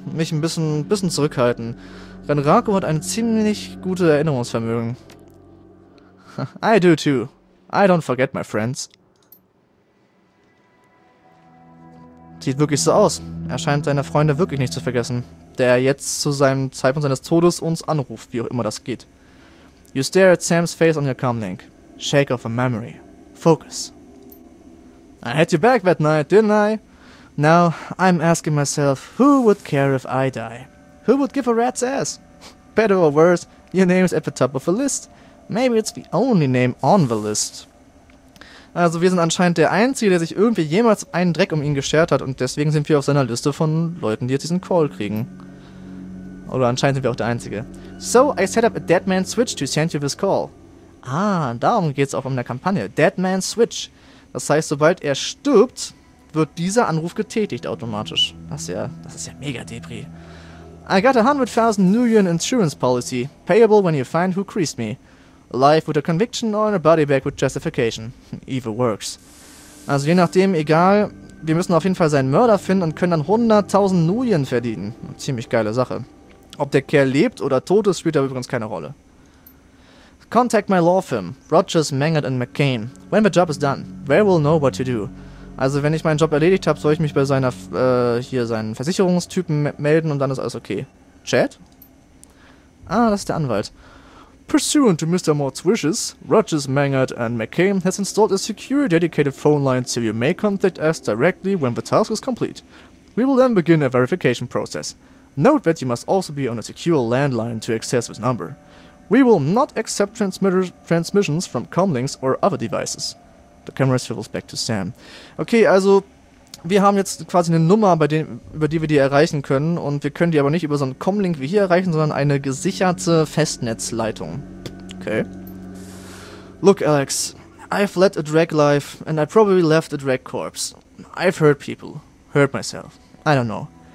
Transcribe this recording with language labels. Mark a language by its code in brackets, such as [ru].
[de] Mich ein bisschen zurückhalten. Renraku hat ein ziemlich gutes Erinnerungsvermögen. [en] I do too. I don't forget my friends. [de] Sieht wirklich so aus. Er scheint seine Freunde wirklich nicht zu vergessen. Der jetzt zu seinem Zeitpunkt seines Todes uns anruft, wie auch immer das geht. [en] You stare at Sam's face on your comlink. Shake off a memory. Focus. I had you back that night, didn't I? Now, I'm asking myself, who would care if I die? Who would give a rat's ass? Better or worse, your name is at the top of the list. Maybe it's the only name on the list. [de] Also, wir sind anscheinend der Einzige, der sich irgendwie jemals einen Dreck um ihn geschert hat und deswegen sind wir auf seiner Liste von Leuten, die jetzt diesen Call kriegen. Oder anscheinend sind wir auch der Einzige. [en] So, I set up a dead man switch to send you this call. [de] Ah, darum geht's auch in der Kampagne. Dead man switch. Das heißt, sobald er stirbt... wird dieser Anruf getätigt automatisch. Das ist ja mega Debris. [en] I got 100.000 New Yen Insurance Policy, payable when you find who creased me. Life with a conviction or in a body bag with justification. Either works. [de] Also je nachdem, egal, wir müssen auf jeden Fall seinen Mörder finden und können dann 100.000 New Yen verdienen. Ziemlich geile Sache. Ob der Kerl lebt oder tot ist, spielt da übrigens keine Rolle. [en] Contact my law firm, Rogers, Mangert and McCain. When the job is done, they will know what to do. [de] Also wenn ich meinen Job erledigt habe, soll ich mich bei seiner seinen Versicherungstypen melden und dann ist alles okay. Chad? Ah, das ist der Anwalt. [en] Pursuant to Mr. Mort's wishes, Rogers, Mangert and McCain has installed a secure dedicated phone line so you may contact us directly when the task is complete. We will then begin a verification process. Note that you must also be on a secure landline to access this number. We will not accept transmissions from comlinks or other devices. The camera swivels back to Sam. [de] Okay, also wir haben jetzt quasi eine Nummer, über die wir die erreichen können, und wir können die aber nicht über so einen Comlink wie hier erreichen, sondern eine gesicherte Festnetzleitung. Okay. [en] Look, Alex, I've led a drag life and I probably left a drag corpse. I've hurt people. Hurt myself. I don't know.